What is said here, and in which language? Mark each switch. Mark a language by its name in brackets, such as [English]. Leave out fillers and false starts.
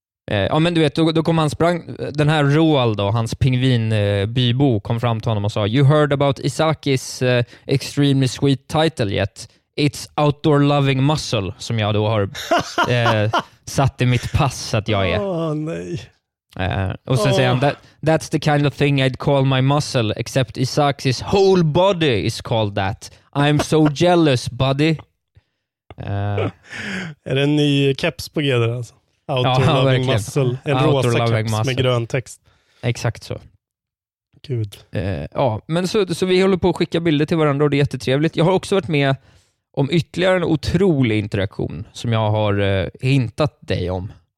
[Swedish] Ja, men du vet, då kom han sprang... Den här Roald då, hans pingvinbybo, kom fram till honom och sa: [English] you heard about Isakis extremely sweet title yet? It's outdoor loving muscle, [Swedish] som jag då har... satt i mitt pass att jag är. Åh, nej. Och sen säger han, [English] that's the kind of thing I'd call my muscle, except Isaacs whole body is called that. I'm so jealous, buddy. [Swedish] Är det en ny keps på Gedra? Alltså? [English] Outdoor-loving muscle. [Swedish] En rosa keps med grön text. Exakt så. Gud. Ja, men så vi håller på att skicka bilder till varandra och det är jättetrevligt. Jag har också varit med... om ytterligare en otrolig interaktion som jag har hintat dig om.